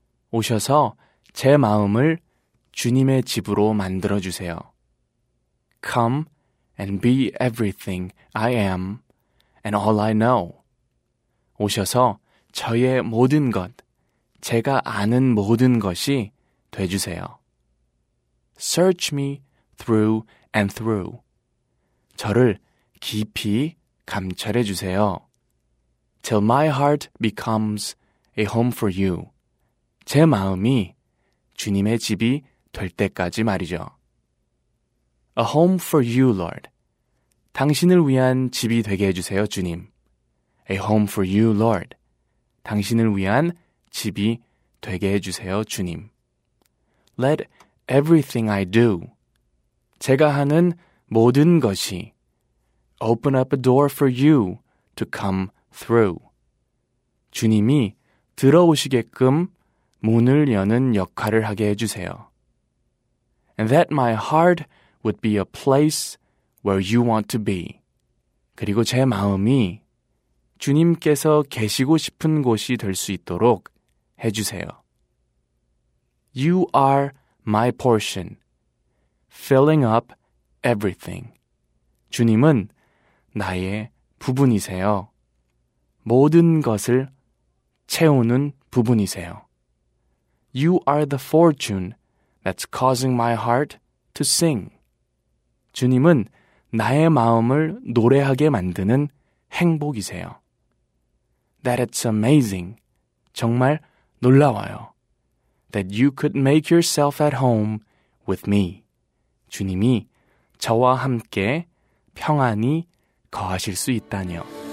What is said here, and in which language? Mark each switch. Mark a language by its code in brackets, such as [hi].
[ko] 오셔서 제 마음을 주님의 집으로 만들어주세요. [en] Come and be everything I am and all I know. [ko] 오셔서 저의 모든 것, 제가 아는 모든 것이 돼주세요. [en] Search me through and through. [ko] 저를 깊이 감찰해주세요. [en] Till my heart becomes a home for you. [ko] 제 마음이 주님의 집이 될 때까지 말이죠. [en] A home for you, Lord. [ko] 당신을 위한 집이 되게 해주세요, 주님. [en] A home for you, Lord. [ko] 당신을 위한 집이 되게 해주세요, 주님. [en] Let everything I do. [ko] 제가 하는 모든 것이 [en] open up a door for you to come through. [ko] 주님이 들어오시게끔 문을 여는 역할을 하게 해주세요. [en] And that my heart would be a place where you want to be. [ko] 그리고 제 마음이 주님께서 계시고 싶은 곳이 될 수 있도록 해주세요. [en] You are my portion, filling up everything. [ko] 주님은 나의 부분이세요. 모든 것을 채우는 부분이세요. [en] You are the fortune that's causing my heart to sing. [ko] 주님은 나의 마음을 노래하게 만드는 행복이세요. [en] That it's amazing. [ko] 정말 놀라워요. [en] That you could make yourself at home with me. [ko] 주님이 저와 함께 평안히 거하실 수 있다니요.